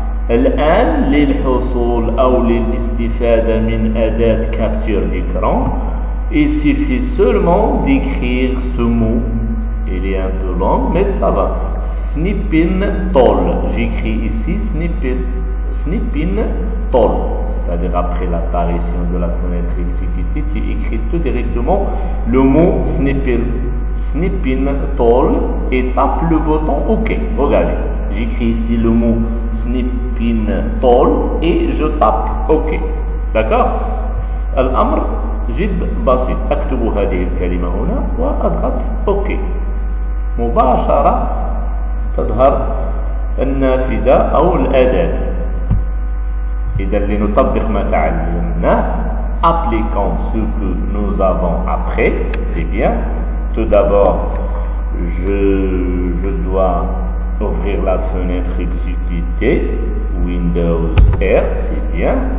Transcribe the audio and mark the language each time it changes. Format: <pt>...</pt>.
<ar>الآن للحصول أو للاستفادة من أداة كابتشير ليكرون،</ar> <fr>il suffit seulement d'écrire ce mot. Il est un peu long, mais ça va. Snipping tall. J'écris ici snipping tall. C'est-à-dire après l'apparition de la fenêtre exécutée, tu écris tout directement le mot snipping tall et tape le bouton OK. Regardez. J'écris ici le mot snipping tall et je tape OK. D'accord ?</fr> <ar>الأمر جد بسيط، أكتب هذه الكلمة هنا وأضغط OK. مباشرة تظهر النافذة أو الأداة. إذا لنطبق ما تعلمناه،</ar> <fr>appliquons ce que nous avons appris. C'est bien. Tout d'abord, je dois ouvrir la fenêtre exécutée Windows R. C'est bien.</fr>